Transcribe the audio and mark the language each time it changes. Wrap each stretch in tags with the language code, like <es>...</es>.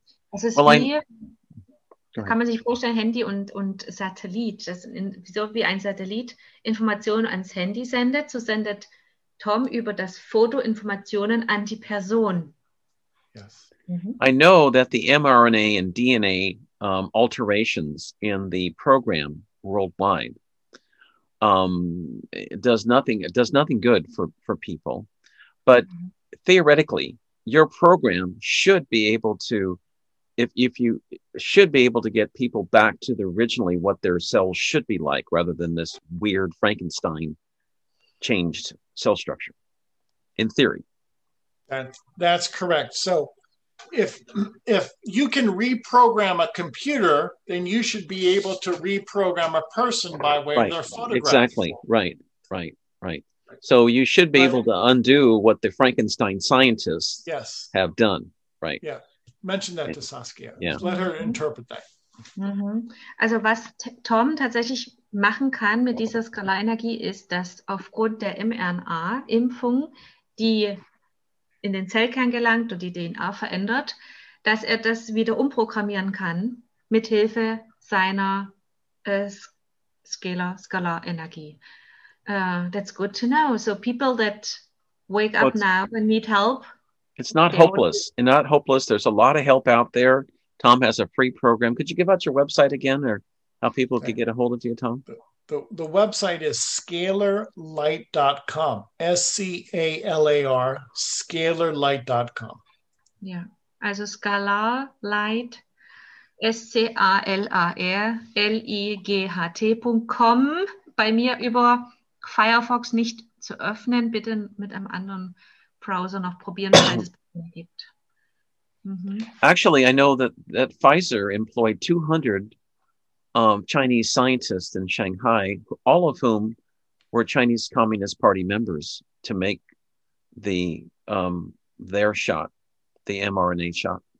<de>Also es ist hier, kann man sich vorstellen, Handy und Satellit, so wie ein Satellit Informationen ans Handy sendet, so sendet Tom über das Foto Informationen an die Person.</de> <en>Yes. I know that the mRNA and DNA alterations in the program worldwide does nothing good for people. But theoretically, your program should be able to, if you should be able to get people back to the originally what their cells should be like, rather than this weird Frankenstein changed cell structure, in theory. That's correct. So if you can reprogram a computer, then you should be able to reprogram a person by way of their photograph. Exactly. Right. So you should be able to undo what the Frankenstein scientists have done. Right. Yeah. Mention that to Saskia. Yeah. Let her interpret that. Mm-hmm.</en> <de>Also was Tom tatsächlich machen kann mit dieser Skalarenergie ist, dass aufgrund der mRNA-Impfung die in den Zellkern gelangt und die DNA verändert, dass er das wieder umprogrammieren kann mit Hilfe seiner Scalar Energie.</de> <en>That's good to know. So people that wake up now and need help. It's not hopeless. Not hopeless. There's a lot of help out there. Tom has a free program. Could you give out your website again or how people could get a hold of you, Tom? The website is scalarlight.com, S-C-A-L-A-R, scalarlight.com. Yeah, also scalarlight, scalarlight.com.</en> <de>Bei mir über Firefox nicht zu öffnen, bitte mit einem anderen Browser noch probieren, weil es gibt.</de> <en>Actually, I know that Pfizer employed 200 Chinese scientists in Shanghai, all of whom were Chinese Communist Party members, to make the their shot, the mRNA shot.</en>